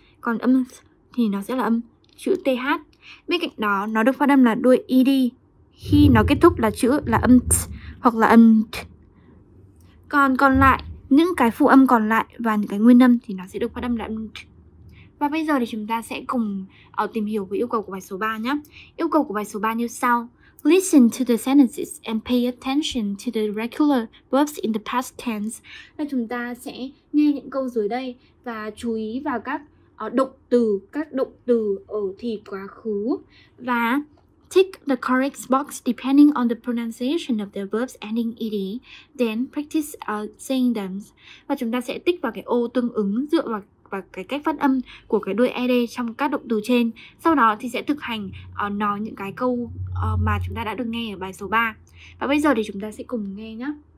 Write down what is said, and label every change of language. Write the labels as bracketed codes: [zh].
[vi] Còn âm thì nó sẽ là âm chữ TH. Bên cạnh đó, nó được phát âm là đuôi ED khi nó kết thúc là chữ là âm T hoặc là âm T. Còn lại, những cái phụ âm còn lại và những cái nguyên âm thì nó sẽ được phát âm là âm T. Và bây giờ thì chúng ta sẽ cùng tìm hiểu về yêu cầu của bài số 3 nhé. Yêu cầu của bài số 3 như sau. [en] Listen to the sentences and pay attention to the regular verbs in the past tense. [vi] Là chúng ta sẽ nghe những câu dưới đây và chú ý vào các động từ ở thì quá khứ. [en] Và tick the correct box depending on the pronunciation of the verbs ending ed, then practice saying them. [vi] Và chúng ta sẽ tick vào cái ô tương ứng dựa vào cái cách phát âm của cái đuôi ed trong các động từ trên. Sau đó thì sẽ thực hành nói những cái câu mà chúng ta đã được nghe ở bài số 3. Và bây giờ thì chúng ta sẽ cùng nghe nhé.